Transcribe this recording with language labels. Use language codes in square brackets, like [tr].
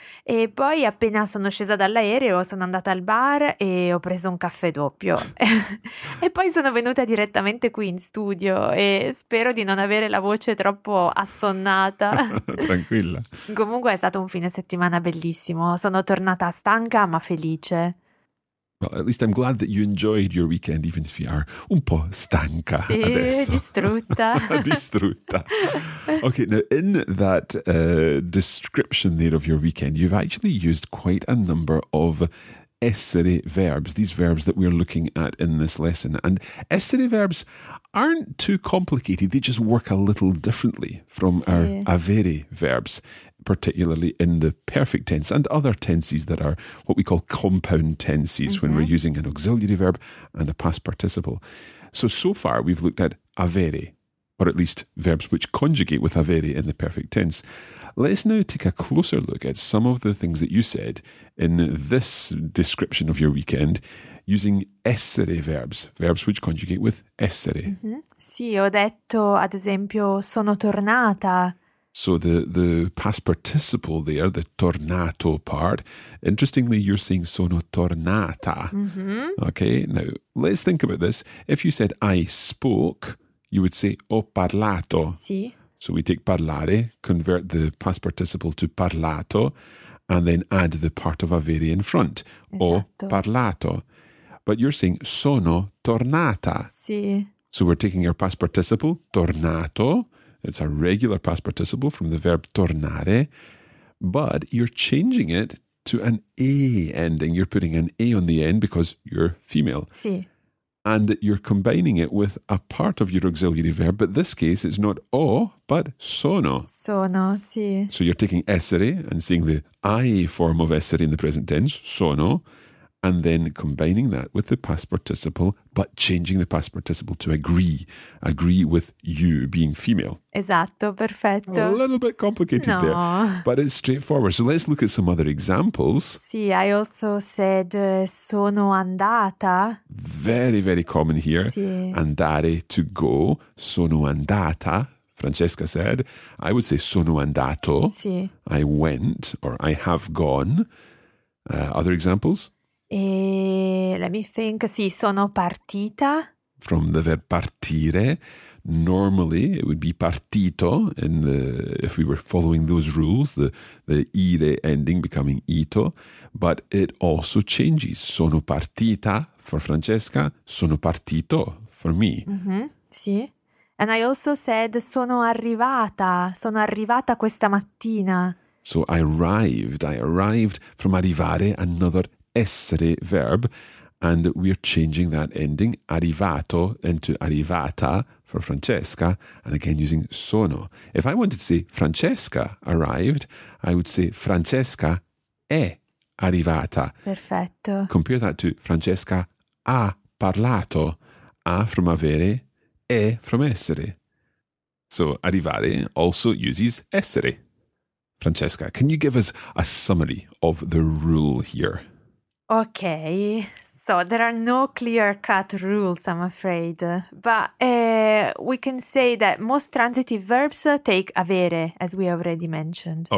[it] E poi appena sono scesa dall'aereo sono andata al bar e ho preso un caffè doppio. E poi sono venuta direttamente qui in studio e spero di non avere la voce troppo assonnata. Tranquilla. Comunque è stato un fine settimana bellissimo. Sono tornata stanca ma felice. [en] Well, at least I'm glad that you enjoyed your weekend, even if you are [it] un po' stanca sì, adesso. Distrutta. Distrutta. [en] Okay, now in that description there of your weekend, you've actually used quite a number of essere verbs, these verbs that we're looking at in this lesson. And essere verbs aren't too complicated, they just work a little differently from sì. our avere verbs. Particularly in the perfect tense and other tenses that are what we call compound tenses mm-hmm. when we're using an auxiliary verb and a past participle. So far we've looked at avere, or at least verbs which conjugate with avere in the perfect tense. Let's now take a closer look at some of the things that you said in this description of your weekend using essere verbs, verbs which conjugate with essere. Mm-hmm. [it] Sì, ho detto, ad esempio, sono tornata. [en] So the past participle there, the tornato part, interestingly, you're saying sono tornata. Mm-hmm. Okay, now let's think about this. If you said I spoke, you would say [it] ho parlato. Sì. [en] So we take parlare, convert the past participle to parlato, and then add the part of avere in front. [it] Esatto. O parlato. [en] But you're saying [it] sono tornata. Sì. [en] So we're taking our past participle, tornato. It's a regular past participle from the verb tornare. But you're changing it to an A ending. You're putting an A on the end because you're female. [it] Sì. [en] And you're combining it with a part of your auxiliary verb. But this case, it's not o, but sono. [it] Sono, sì. [en] So you're taking essere and seeing the I form of essere in the present tense, sono. And then combining that with the past participle, but changing the past participle to agree. Agree with you being female. [it] Esatto, perfetto. [en] A little bit complicated there. But it's straightforward. So let's look at some other examples. Sì, I also said [it] sono andata. [en] Very, very common here. [it] Sì. [en] Andare, to go. [it] Sono andata, [en] Francesca said. I would say [it] sono andato. Sì. [en] I went, or I have gone. Other examples? Let me think. [it] Sì, sono partita. [en] From the verb partire. Normally, it would be partito in the, if we were following those rules, the ire ending becoming ito. But it also changes. [it] Sono partita [en] for Francesca. [it] Sono partito [en] for me. Mm-hmm. Sì. And I also said [it] sono arrivata. Sono arrivata questa mattina. [en] So I arrived. I arrived from arrivare, another essere verb, and we're changing that ending, arrivato, into arrivata for Francesca, and again using sono. If I wanted to say Francesca arrived, I would say [it] Francesca è arrivata. Perfetto. [en] Compare that to [it] Francesca ha parlato. [en] A from avere, è from essere. So arrivare also uses essere. Francesca, can you give us a summary of the rule here? Okay, so there are no clear-cut rules, I'm afraid. But we can say that most transitive verbs take avere, as we already mentioned.